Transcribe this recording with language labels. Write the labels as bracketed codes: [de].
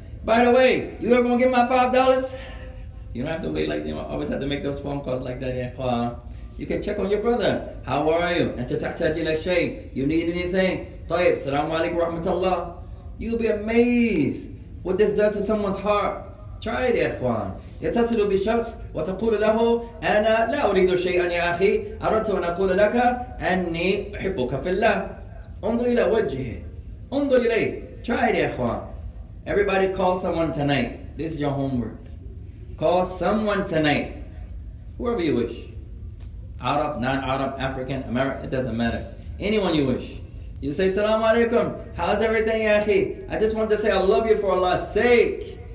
[en] By the way, you ever gonna get my $5? You don't have to wait like that. I always have to make those phone calls like that, [ar] ya akhwan. [en] You can check on your brother. How are you? And to [ar] tahtaj ila shay, [en] you need anything? Tayyib, salamu alaykum wa rahmatullah. You'll be amazed what this does to someone's heart. Try it, [ar] ya akhwan. يتصل بشخص وتقول له أنا لا أريد شيئا يا أخي أردت أن أقول لك أني أحبك في الله. انظر إلى وجهه. انظر إليه. [en] Try it, [ar] يا أخوان. [en] Everybody call someone tonight. This is your homework. Call someone tonight. Whoever you wish. Arab, non-Arab, African, American, it doesn't matter. Anyone you wish. You say, Salaamu Alaikum. How's everything, [ar] يا أخي? [en] I just want to say I love you for Allah's sake.